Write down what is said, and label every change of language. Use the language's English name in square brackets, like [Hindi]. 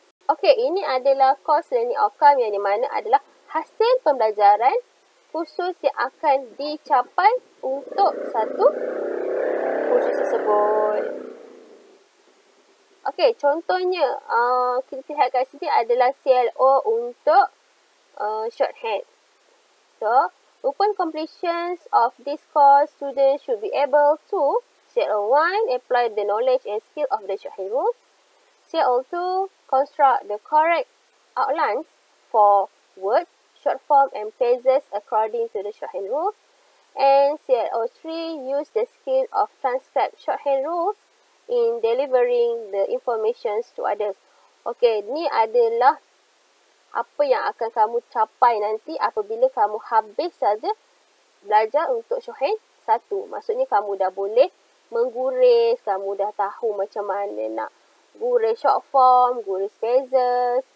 [Malay] Okey, ini adalah course learning outcome yang di mana adalah hasil pembelajaran kursus yang akan dicapai untuk satu kursus tersebut. Okey, contohnya kita lihat kat sini adalah CLO untuk shorthand. [English] So, upon completion of this course, students should be able to CL1, apply the knowledge and skill of the shorthand rules. CL2, construct the correct outlines for words, short form and phrases according to the shorthand rules. And CL3, use the skill of transcribe shorthand rules in delivering the information to others. [Malay] Okay, ni adalah apa yang akan kamu capai nanti apabila kamu habis saja belajar untuk shorthand satu. Maksudnya kamu dah boleh mengguris, kamu dah tahu macam mana nak guris short form, guris phrases.